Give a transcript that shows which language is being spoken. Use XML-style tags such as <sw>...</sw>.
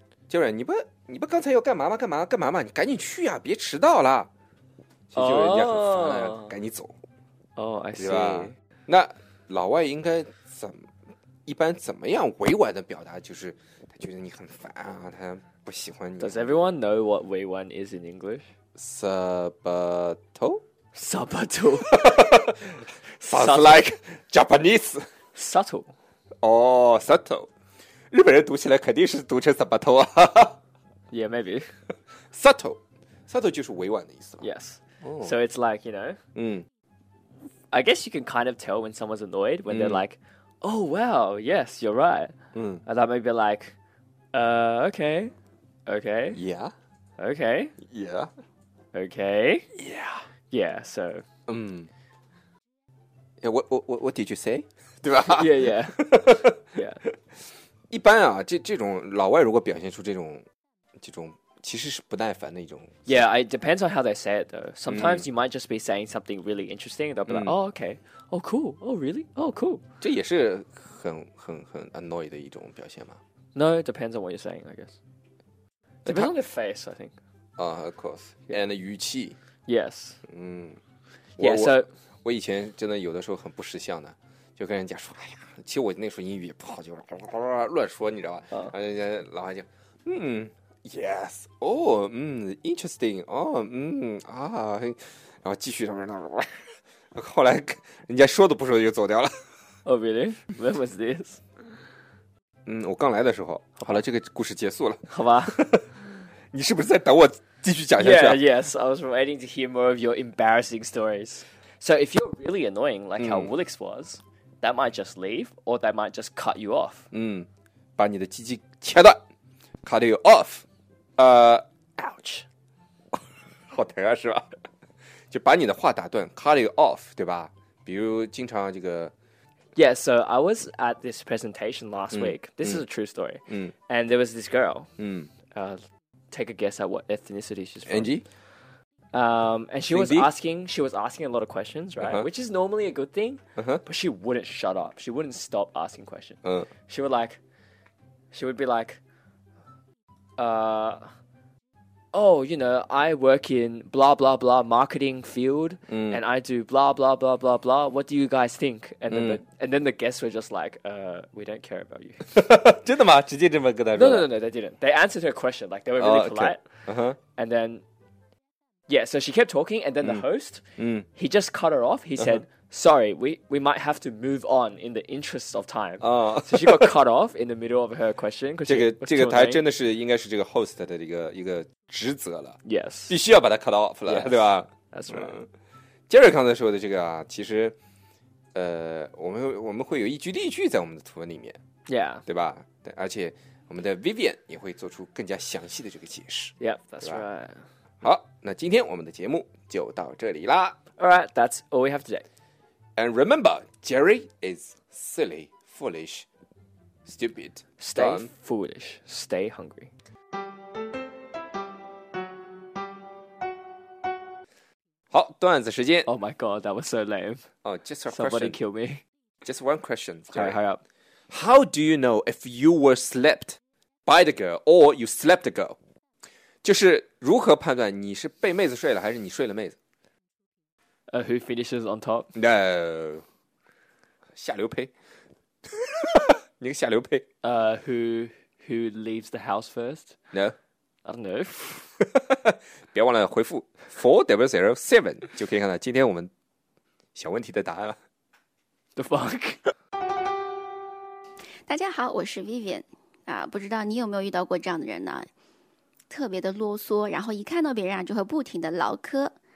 <zh>Jerry， 你不刚才要干嘛吗？干嘛干嘛嘛？你赶紧去呀、啊，别迟到了。就人家很烦了、啊， oh. 赶紧走。</zh> <en>哦、oh, ，I see。</en> <zh>那老外应该一般怎么样委婉的表达，就是他觉得你很烦啊，他不喜欢你。</zh> <en>Does everyone know what 委婉 is in English？ Subtle. Sounds like Japanese. Subtle. Oh, subtle.</en> <zh>日本人读起来肯定是读成 subtle 啊</zh> <en>，Yeah, maybe.</en> <zh>Subtle 就是委婉的意思吧。</zh> <en>Yes.、Oh. So it's like, you know. 嗯。 I guess you can kind of tell when someone's annoyed when they're like, "Oh, wow, yes, you're right." 嗯。 And that may be like, okay, okay. Yeah. Okay. Yeah. Okay. Yeah. Yeah. So. Yeah. What did you say?</en> <zh>对吧</zh> <en>yeah.</en> <zh>一般啊 这种老外如果表现出这种其实是不耐烦的一种</zh> <en>Yeah, it depends on how they say it though. Sometimes you might just be saying something really interesting. They'll be like, oh, okay. Oh, cool. Oh, really? Oh, cool.</en> <zh>这也是很 annoyed 的一种表现吗</zh> <en>No, it depends on what you're saying, I guess. Depends on their face, I think. Of course. And the 语气 Yes. Yeah, so...</en> <zh>我以前真的有的时候很不识相的。就跟人家说哎呀其实我那时候英语也不好就乱说你知道吧然后老外就Yes.</zh> <en>Oh, interesting. Oh, ah.</en> <zh>然后继续上面那玩。后来人家说都不说就走掉了。</zh> <en>Oh, really? When was this?</en> <zh>我刚来的时候。好了，这个故事结束了。好吧。你是不是在等我继续讲下去、啊、</zh> <en>？Yeah, yes. I was waiting to hear more of your embarrassing stories. So if you're really annoying, like how Woolix was, that might just leave, or they might just cut you off.</en> <zh>把你的鸡鸡切断。</zh> <en>Cut you off. Ouch.</en> <zh>好疼啊是吧就把你的话打断</zh> <en>Cut you off,</en> <zh>对吧比如经常这个</zh> <en>Yeah, so I was at this presentation last week. This is a true story. And there was this girl. Take a guess at what ethnicity she's from. Angie? And she was asking a lot of questions, right? Which is normally a good thing. But she wouldn't shut up. She wouldn't stop asking questions. She would be like,you know, I work in blah blah blah marketing field, and I do blah blah blah blah blah. What do you guys think? And then the guests were just like, we don't care about you.</en> <zh>真的吗？直接这么跟他</zh> <en>说？No, they didn't. They answered her question like they were really polite. Okay. And then, yeah, so she kept talking, and then the host, he just cut her off. He said, sorry, we might have to move on in the interest of time. So she got cut off in the middle of her question.</en> <zh>这个台真的是应该是这个 host 的一个职责了。</zh> <en>Yes.</en> <zh>必须要把它</zh> <en>cut off</en> <zh>了</zh> <en>yes,</en> <zh>对吧</zh> <en>That's right.</en> <zh>Jerry 刚才说的这个啊其实我们会有一句例句在我们的图文里面。</zh> <en>Yeah.</en> <zh>对吧对而且我们的 Vivian 也会做出更加详细的这个解释。</zh> <en>Yep, that's right.</en> <zh>好那今天我们的节目就到这里啦。</zh> <en>Alright, that's all we have today. And remember, Jerry is silly, foolish, stupid. Stay foolish. Stay hungry.</en> <zh>Oh, 段子时间。</zh> <en>Oh my god, that was so lame. Oh, just a question. Somebody kill me. Just one question, Jerry. Hurry, hurry up. How do you know if you were slept by the girl or you slept the girl?</en> <zh>就是如何判断你是被妹子睡了还是你睡了妹子。</zh> <en>Who finishes on top?</en> <zh>No. 下流胚。你个下流胚。</zh> <en>Who leaves the house first? No. I don't know.</en> <zh>别忘了回复 4007 就可以看到今天我们小问题的答案了。</zh> <en>The fuck?</en> <zh>大家好我是 Vivian. 不知道你有没有遇到过这样的人呢特别的啰嗦然后一看到别人啊就会不停的唠嗑。</zh>